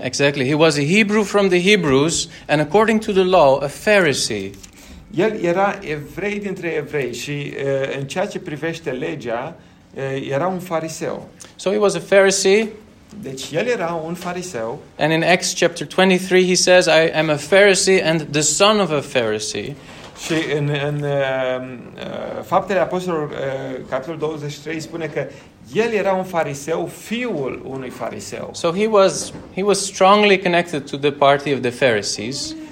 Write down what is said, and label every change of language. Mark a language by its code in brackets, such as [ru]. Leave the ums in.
[en] Exactly, he was a Hebrew from the Hebrews and according to the law a Pharisee. [ro] El era evrei dintre evrei și uh, în ceea ce privește legea, uh, era un fariseu. [en] So he was a Pharisee. [ro] Deci el era un fariseu. [en] And in Acts chapter 23 he says I am a Pharisee and the son of a Pharisee. [ro] Și în, în uh, uh, Faptele Apostolilor uh, capitolul 23 spune că el era un fariseu, fiul unui fariseu. [en] So he was he was strongly connected to the party of the Pharisees.